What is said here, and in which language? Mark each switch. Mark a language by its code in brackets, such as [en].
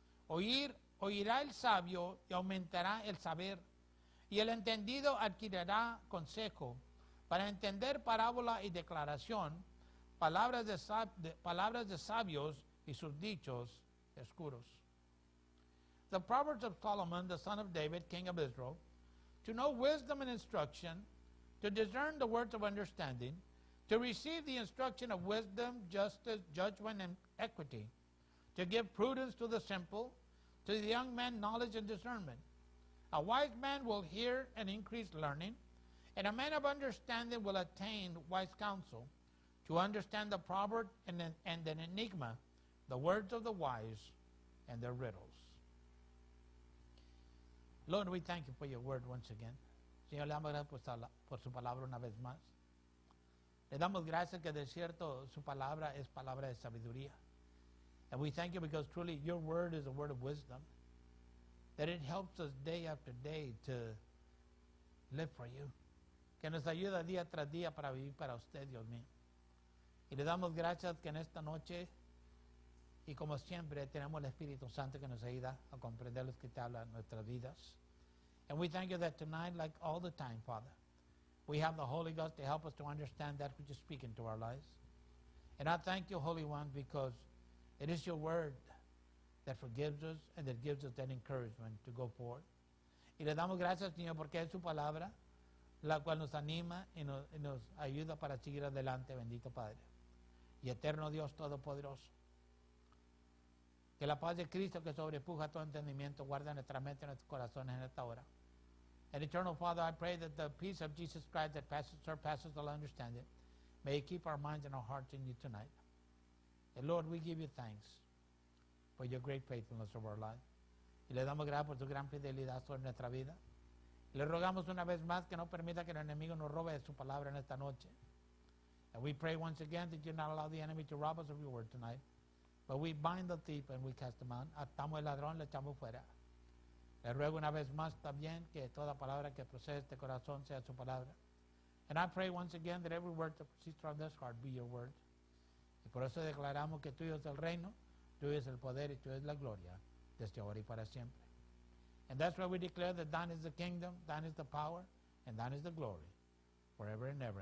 [es] Oirá el sabio y aumentará el saber, y el entendido adquirirá consejo, para entender parábola y declaración, palabras de sabios y sus dichos escuros. [en] The Proverbs of Solomon, the son of David, king of Israel, to know wisdom and instruction, to discern the words of understanding, to receive the instruction of wisdom, justice, judgment, and equity, to give prudence to the simple, to the young man knowledge and discernment. A wise man will hear and increase learning, and a man of understanding will attain wise counsel, to understand the proverb and an enigma, the words of the wise and their riddles. Lord, we thank you for your word once again. [es] Señor, le damos gracias por su palabra una vez más. Le damos gracias que de cierto su palabra es palabra de sabiduría. [en] And we thank you because truly your word is a word of wisdom, that it helps us day after day to live for you. [es] Que nos ayuda día tras día para vivir para usted, Dios mío. Y le damos gracias que en esta noche y como siempre tenemos el Espíritu Santo que nos ayuda a comprender lo que te habla en nuestras vidas. [en] And we thank you that tonight, like all the time, Father, we have the Holy Ghost to help us to understand that which is speaking to our lives. And I thank you, Holy One, because it is your word that forgives us and that gives us that encouragement to go forward. [es] Y le damos gracias, Señor, porque es su palabra la cual nos anima y nos ayuda para seguir adelante, bendito Padre. Y eterno Dios Todopoderoso, que la paz de Cristo que sobrepuja todo entendimiento guarde nuestra mente y nuestros corazones en esta hora. [en] And eternal Father, I pray that the peace of Jesus Christ that surpasses all understanding may keep our minds and our hearts in you tonight. And Lord, we give you thanks for your great faithfulness of our life. [es] Y le damos gracias por tu gran fidelidad sobre nuestra vida. Y le rogamos una vez más que no permita que el enemigo nos robe de su palabra en esta noche. [en] And we pray once again that you not allow the enemy to rob us of your word tonight. But we bind the thief and we cast him out. [es] Atamos el ladrón, le echamos fuera. Le ruego una vez más también que toda palabra que procede de este corazón sea su palabra. [en] And I pray once again that every word that proceeds from this heart be your word. [es] Y por eso declaramos que tuyo es el reino, tuyo es el poder y tuyo es la gloria desde ahora y para siempre. [en] And that's why we declare that thine is the kingdom, thine is the power, and thine is the glory, forever and ever.